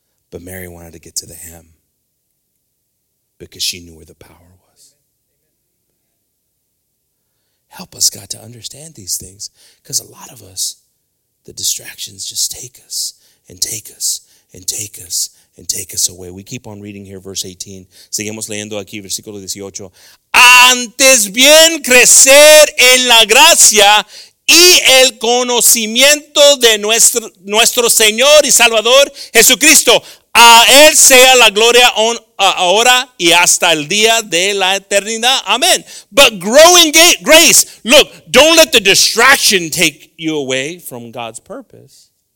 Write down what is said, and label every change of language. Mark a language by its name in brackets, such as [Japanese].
[English] But Mary wanted to get to the hem because she knew where the power was. Help us, God, to understand these things. Because a lot of us, the distractions just take us and take us and take us and take us away. We keep on reading here, verse 18. [Spanish] Seguimos leyendo aquí, versículo 18. Antes bien crecer en la gracia y el conocimiento de nuestro Señor y Salvador Jesucristo. A Él sea la gloria ahora y hasta el día de la eternidad. [English] Amen. But grow in grace. Look, don't let the distraction take you away from God's purpose.